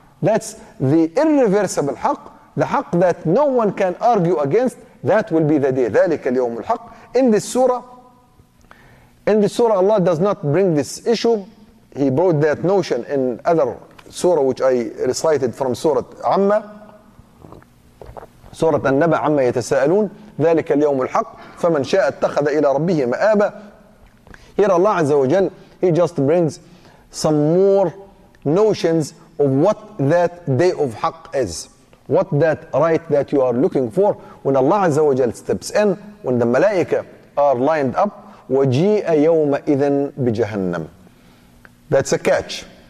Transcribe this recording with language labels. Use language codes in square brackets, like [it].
[en] That's the irreversible حق, the حق that no one can argue against. That will be the day. [ar] ذلك اليوم الحق. [en] In this surah, Allah does not bring this issue. He brought that notion in other surah which I recited from Surah Amma. [ar] سورة النبأ عما يتساءلون ذلك اليوم الحق فمن شاء اتخذ إلى ربه مآبا. [en] Here Allah Azza wa Jal, he just brings some more notions of what that day of haq is, what that right that you are looking for. When Allah Azza wa Jal steps in, when the malaika are lined up, [ar] وَجِيءَ يَوْمَ إِذَن بِجَهَنَّمَ, [en] that's a catch.